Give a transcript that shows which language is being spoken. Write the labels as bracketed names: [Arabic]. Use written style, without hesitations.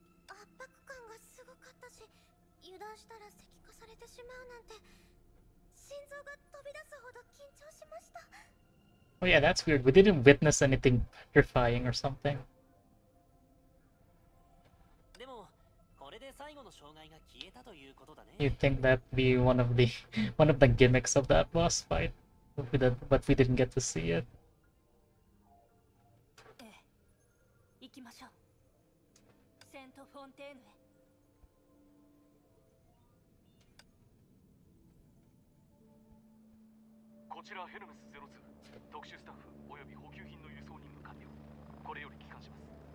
[Japanese] 圧迫感がすごかったし、油断したら石化されてしまうなんて心臓が飛び出すほど緊張しました。 [English] Oh yeah, that's weird. We didn't witness anything terrifying or something. [Japanese] でもこれで最後の障害が消えたということだね。 [English] You'd think that'd be one of the gimmicks of that boss fight, but we didn't get to see it. [Japanese] ええ、行きましょう。セントフォンテーヌへ。こちらヘルメス02、特殊スタッフおよび補給品の輸送任務完了。これより帰還します。